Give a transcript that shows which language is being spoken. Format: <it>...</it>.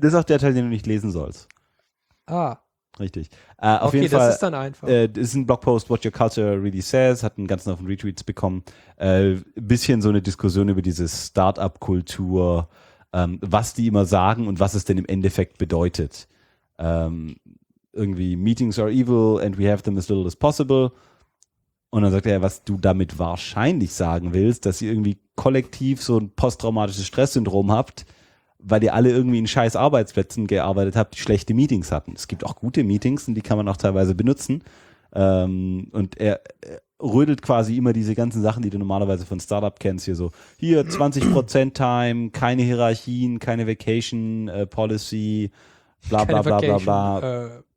<de>Das ist auch der Teil, den du nicht lesen sollst. Ah. Richtig. Auf jeden Fall, das ist dann einfach. Das ist ein Blogpost, What Your Culture Really Says, hat einen ganzen Haufen Retweets bekommen. Bisschen so eine Diskussion über diese Startup-Kultur, was die immer sagen und was es denn im Endeffekt bedeutet.</de> <en>Irgendwie, Meetings are evil and we have them as little as possible.</en> <de>Und dann sagt er, was du damit wahrscheinlich sagen willst, dass ihr irgendwie kollektiv so ein posttraumatisches Stresssyndrom habt, weil ihr alle irgendwie in scheiß Arbeitsplätzen gearbeitet habt, die schlechte Meetings hatten. Es gibt auch gute Meetings und die kann man auch teilweise benutzen. Und er rödelt quasi immer diese ganzen Sachen, die du normalerweise von Startup kennst, hier so, hier 20% Time, keine Hierarchien, keine Vacation Policy, bla bla bla bla bla.</de>